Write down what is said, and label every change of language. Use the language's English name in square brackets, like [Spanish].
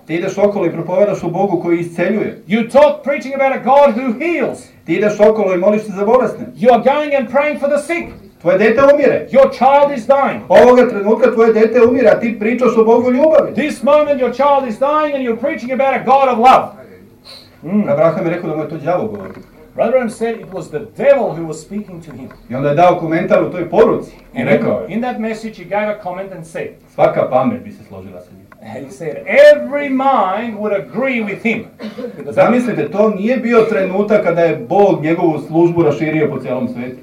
[Serbian] Ti ideš okolo i propovedaš o Bogu koji isceljuje. [English] You talk preaching about a God who heals. [Serbian] Ti ideš okolo i moliš se za bolesne. [English] You are going and praying for the sick. [Serbian] Tvoje dete umire. [English] Your child is dying. [Serbian] Ovoga trenutka tvoje dete umire, a ti pričaš o Bogu ljubavi. [English] This moment your child is dying and you're preaching about a God of love. [Serbian] Abraham je rekao da mu je to đavo govorio. [English] Brother Ram said it was the devil who was speaking to him. [Serbian] I onda je dao komentar u toj poruci i rekao je. [English] In that message he gave a comment and said. [Serbian] Svaka pamet bi se složila sa njim. [English] And he said every mind would agree with him. [Serbian] Zamislite, to nije bio trenutak kada je Bog njegovu službu raširio po celom svetu.